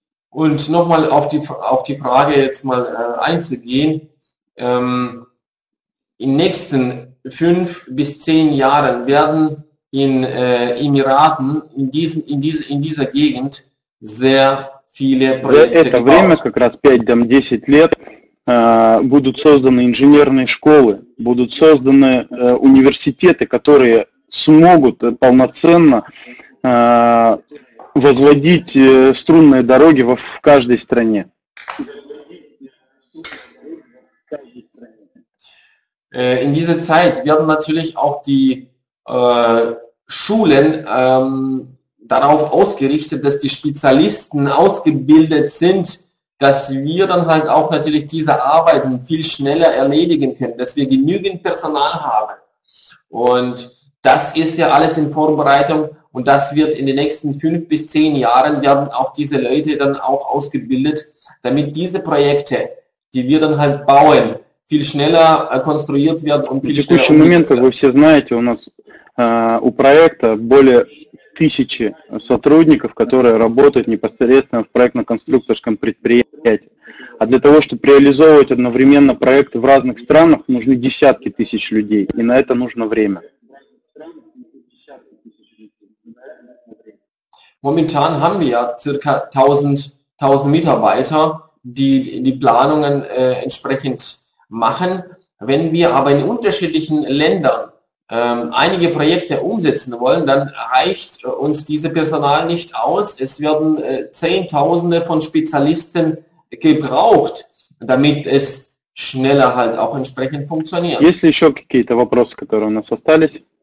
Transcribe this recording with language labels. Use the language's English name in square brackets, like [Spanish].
[German] Und nochmal auf die Frage jetzt mal einzugehen. In den nächsten 5 bis 10 Jahren werden in Emiraten, in dieser Gegend, sehr viele Projekte gebaut. [Russian] Это время, как раз 5-10 лет, будут созданы инженерные школы, будут созданы университеты, которые смогут полноценно возводить струнные дороги в каждой стране. [German] In dieser Zeit werden natürlich auch die Schulen darauf ausgerichtet, dass die Spezialisten ausgebildet sind, dass wir dann halt auch natürlich diese Arbeiten viel schneller erledigen können, dass wir genügend Personal haben. Und das ist ja alles in Vorbereitung und das wird in den nächsten 5 bis 10 Jahren werden auch diese Leute dann auch ausgebildet, damit diese Projekte, die wir dann halt bauen, viel schneller konstruiert werden und viel schneller umgesetzt werden. Wie Sie alle wissen, [Russian] у нас у проекта более 1000 сотрудников, которые работают непосредственно в проектно-конструкторском предприятии. А для того, чтобы реализовывать одновременно проекты в разных странах, нужны десятки тысяч людей, и на это нужно время. [German] Momentan haben wir ja circa 1000 Mitarbeiter, die Planungen entsprechend machen. Wenn wir aber in unterschiedlichen Ländern einige Projekte umsetzen wollen, dann reicht uns dieses Personal nicht aus. Es werden Zehntausende von Spezialisten gebraucht, damit es schneller halt auch entsprechend funktioniert. [Russian] Есть ли еще какие-то вопросы, которые у нас остались?